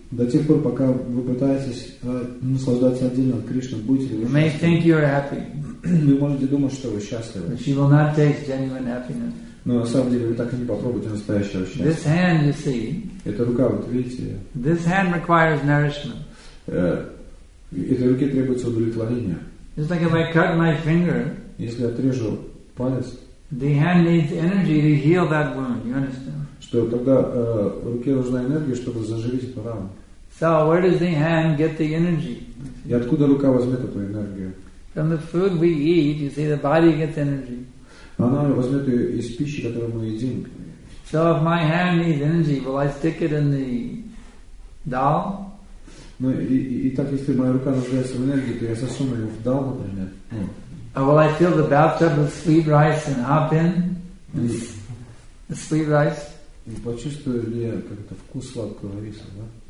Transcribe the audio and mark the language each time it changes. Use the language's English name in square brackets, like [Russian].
[Russian] До тех пор, пока вы пытаетесь наслаждаться отдельно от Кришны, будете ли вы счастливы? [English] You may think you are happy. [Russian] Вы можете думать, что вы счастливы. [English] But you will not taste genuine happiness. [Russian] Но на самом деле вы так и не попробуете настоящего счастья. [English] This hand, you see, [Russian] эта рука, вот видите. [English] This hand requires nourishment. [Russian] Этой руке требуется удовлетворение. [English] It's like if I cut my finger, [Russian] если отрежу палец, [English] the hand needs energy to heal that wound, you understand? [Russian] Что тогда руке нужна энергия, чтобы заживить эту рану. [English] So where does the hand get the energy? [Russian] И откуда рука возьмет эту энергию? [English] From the food we eat, you see, the body gets energy. [Russian] Она возьмет ее из пищи, которую мы едим. [English] So if my hand needs energy, will I stick it in the dal? [Russian] Ну и так, если моя рука нуждается в энергии, то я засуну ее в дал, например. [English] Or will I fill the bathtub with sweet rice and hop in? The sweet rice? [Russian] И почувствую ли я как-то вкус сладкого риса, да?